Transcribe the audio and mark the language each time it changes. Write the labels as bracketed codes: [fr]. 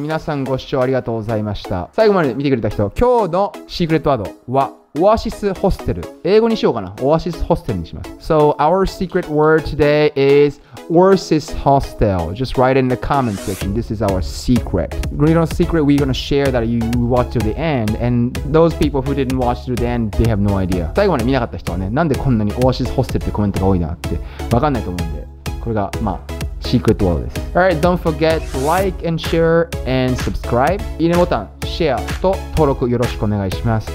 [ja] 皆さんご視聴ありがとうございました。最後まで見てくれた人、今日のシークレットワードはオアシスホステル。英語にしようかな。オアシスホステルにします。 [en] So our secret word today is Warsaw hostel. Just write in the comment section. This is our secret. Great secret we're gonna share that you watch to the end. And those people who didn't watch to the end, they have no idea. [ja] 最後まで見なかった人はね、なんでこんなにオアシスホステルってコメントが多いなって分かんないと思うんで、これがまあ。 [en] Secret world です。 Alright, don't forget to like and share and subscribe. [ja] いいねボタン、シェアと登録よろしくお願いします。